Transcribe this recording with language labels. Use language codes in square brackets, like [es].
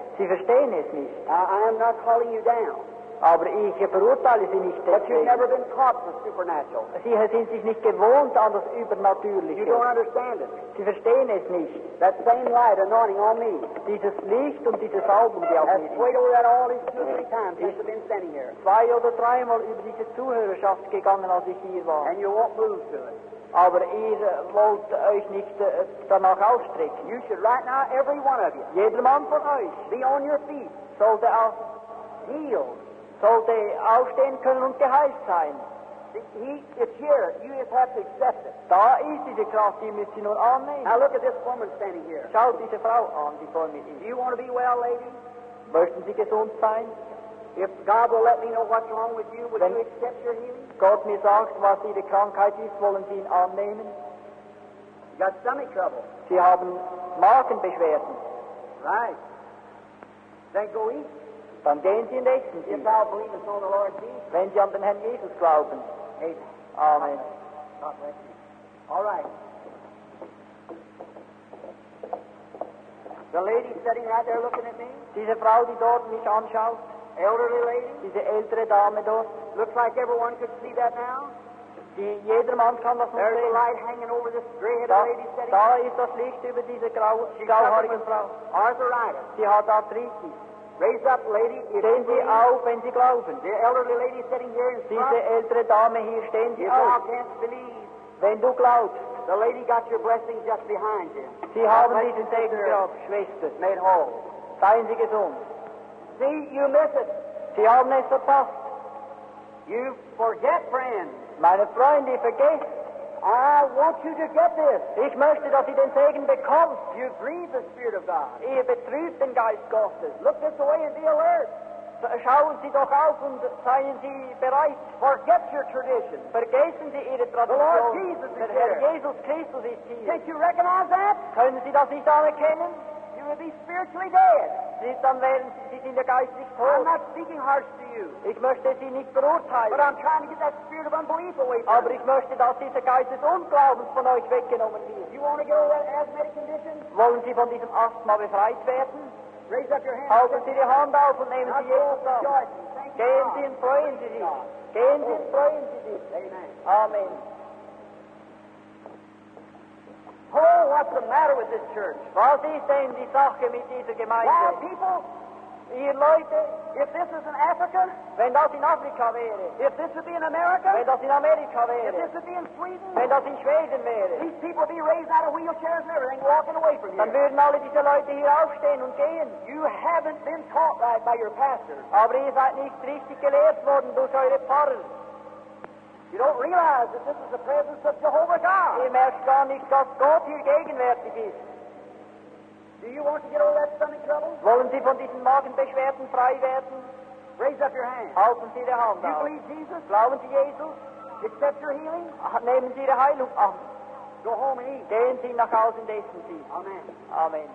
[de] Sie verstehen es nicht. [en] I am not calling you down. [de] Aber ich verurteile Sie nicht deswegen. [en] But you've never been taught the supernatural. [de] Sie sind sich nicht gewohnt an das Übernatürliche. [en] You don't understand it. [de] Sie verstehen es nicht. [en] That same light anointing on me. [de] Dieses Licht und dieses Salben, die auf mir ist. [en] Wait at all these two or three times since I've been standing here. [de] Zwei oder dreimal über diese Zuhörerschaft gegangen, als ich hier war. [en] And you won't move to it. [de] Aber ihr wollt euch nicht danach ausstrecken. [en] You should right now, every one of you, [de] jeder Mann von euch, [en] be on your feet, [de] sollte [en] healed, [de] sollte aufstehen können und geheilt sein. [en] It's here. You just have to accept it. [de] Da ist diese Kraft, die müsst ihr nur annehmen. [en] Now look at this woman standing here. [de] Schaut diese Frau an, die vor mir ist. [en] Do you want to be well, lady? [de] Möchten Sie gesund sein? [en] If God will let me know what's wrong with you, will you accept your healing? [de] Gott mir sagt, was Ihre Krankheit ist, wollen Sie ihn annehmen? [en] You got stomach trouble. [de] Sie haben Magenbeschwerden. [en] Right. Then go eat. [de] Dann gehen Sie und essen Sie. [en] If thou believest on the Lord Jesus. [de] Wenn Sie an den Herrn Jesus glauben. [en] Amen. [de] Amen. [en] God bless you. All right. The lady sitting right there looking at me. [de] Diese Frau, die dort mich anschaut. [en] Elderly lady. [de] Diese ältere Dame dort. [en] Looks like everyone could see that now. [de] Jedermann kann das sehen. [en] There's a light hanging over this gray-headed lady sitting. [de] Da ist das Licht über diese grauhaarige Frau. [en] Arthritis. [de] Sie hat Arthritis. [en] Raise up, lady. [de] Stehen Sie auf, wenn Sie glauben. [en] The elderly lady sitting here in front. [de] Diese ältere Dame hier, stehen Sie [en] you [de] auf. [en] You can't believe. [de] Wenn du glaubst. [en] The lady got your blessing just behind you. [de] Sie God haben diesen Segen gehabt, Schwester. [en] Made whole. [de] Seien Sie gesund. [en] See, you miss it. [de] Sie haben es verpasst. [en] You forget, friend. [de] Meine Freunde, vergesst. [en] I want you to get this. [de] Ich möchte, dass ihr den Segen bekommt. [en] You grieve the Spirit of God. [de] Ihr betrübt den Geist Gottes. [en] Look this way and be alert. [de] Schauen Sie doch auf und seien Sie bereit. [en] Forget your tradition. [de] Vergessen Sie Ihre Tradition. [en] The Lord Jesus is here. [de] Der Herr Jesus Christus ist hier. [en] Can't you recognize that? [de] Können Sie das nicht anerkennen? [en] You will be spiritually dead. [de] Dann werden Sie in der geistig tot. [en] I'm not speaking harsh to you. [de] Ich möchte Sie nicht verurteilen. [en] But I'm trying to get that spirit of unbelief away from you. [de] Aber ich möchte, dass dieser Geist des Unglaubens von euch weggenommen wird. [en] You want to go with that asthmatic condition? [de] Wollen Sie von diesem Asthma befreit werden? [en] Raise up your hand. [de] Halten Sie die Hand auf und nehmen Sie Jesus auf. Gehen Sie und freuen Sie sich. Gehen Sie und freuen Sie sich. [en] Amen. [de] Amen. [en] Oh, what's the matter with this church? [de] Was ist denn die Sache mit dieser Gemeinde? [en] Why, people? [de] Ihr Leute? [en] If this is in Africa? [de] Wenn das in Afrika wäre. [en] If this would be in America? [de] Wenn das in Amerika wäre. [en] If this would be in Sweden? [de] Wenn das in Schweden wäre. [en] These people be raised out of wheelchairs and everything, walking away from you. [de] Dann würden alle diese Leute hier aufstehen und gehen. [en] You haven't been taught right by your pastor. [de] Aber ihr seid nicht richtig gelehrt worden durch eure Pfarrer. [en] You don't realize that this is the presence of Jehovah God. [de] Ihr merkt gar nicht, dass Gott hier gegenwärtig ist. [en] Do you want to get all that stomach trouble? [de] Wollen Sie von diesen Magenbeschwerden frei werden? [en] Raise up your hand. [de] Halten Sie die Hand [en] auf. You believe Jesus? [de] Glauben Sie Jesus? [en] Accept your healing? [de] Nehmen Sie Ihre Heilung an. [en] Go home and eat. [de] Gehen Sie nach Hause und essen Sie. [en] Amen. [de] Amen.